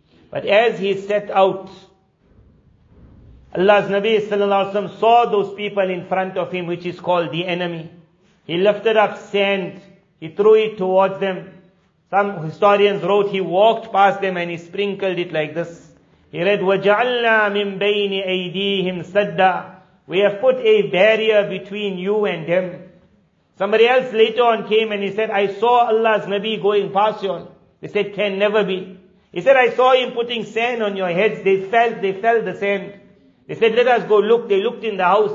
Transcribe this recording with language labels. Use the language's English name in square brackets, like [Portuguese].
[English] But as he set out, Allah's Nabi sallallahu alaihi wasallam saw those people in front of him, which is called the enemy. He lifted up sand. He threw it towards them. Some historians wrote he walked past them and he sprinkled it like this. He read, [Arabic] وَجَعَلْنَا مِن بَيْنِ أَيْدِيهِمْ سَدَّا. [English] We have put a barrier between you and them. Somebody else later on came and he said, I saw Allah's Nabi going past you. They said, can never be. He said, I saw him putting sand on your heads. They felt the sand. They said, let us go look. They looked in the house.